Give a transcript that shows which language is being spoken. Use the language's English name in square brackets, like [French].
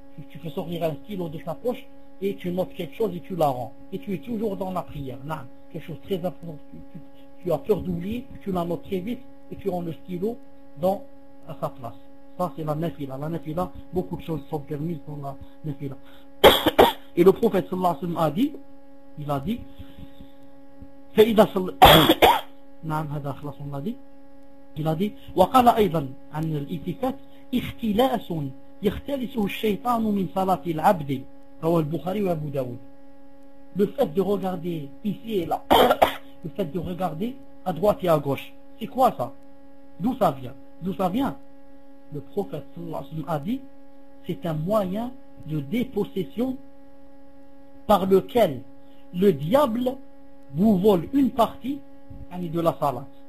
[French] Tu peux sortir un stylo de ta poche et tu notes quelque chose et tu la rends. Et tu es toujours dans la prière. Naam. Quelque chose de très important. Tu as peur d'oublier, tu la notes très vite et tu rends le stylo dans à sa place. Ça, c'est la nafila. La nafila, beaucoup de choses sont permises dans la nafila. Et le prophète sallallahu alayhi wa sallam a dit, il a dit [Arabic] فإذا صلى نعم هذا خلاص ما دي il a dit وقال ايضا عن الاتفات اختلاس يختلسه الشيطان من صلاة العبد رواه البخاري وابو داود. [French] Le fait de regarder ici et là, le fait de regarder à droite et à gauche, c'est quoi ça? D'où ça vient? Le prophète [Arabic] صلى الله عليه وسلم [French] a dit c'est un moyen de dépossession par lequel le diable vous vole une partie de la salat.